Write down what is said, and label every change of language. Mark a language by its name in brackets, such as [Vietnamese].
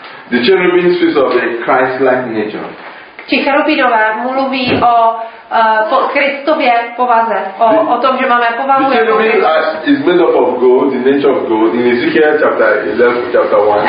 [English] The cherubim speaks of a Christ-like nature. [Czech] Ti cherubinové mluví o Kristově povaze, o tom, že máme povahu. [English] The cherubim is made up of gold, the nature of gold, in Ezekiel chapter 11, chapter 1.